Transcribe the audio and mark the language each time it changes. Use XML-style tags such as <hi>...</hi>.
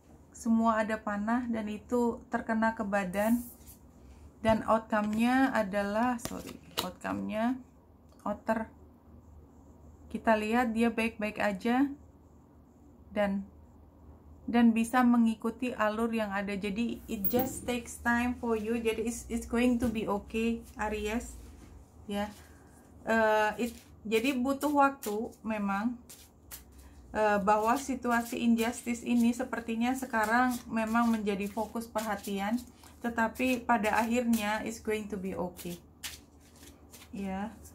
<id>Semua ada panah dan itu terkena ke badan. Dan outcome-nya adalah outcome-nya Otter. Kita lihat dia baik-baik aja dan bisa mengikuti alur yang ada. Jadi</id> <en>it just takes time for you. Jadi it's going to be okay, Aries. Ya. Yeah.</en> <id>Jadi butuh waktu memang. Bahwa situasi injustice ini sepertinya sekarang memang menjadi fokus perhatian, tetapi pada akhirnya</id> <en>it's going to be okay.</en> <id>Ya.</id> <en>Yeah.</en>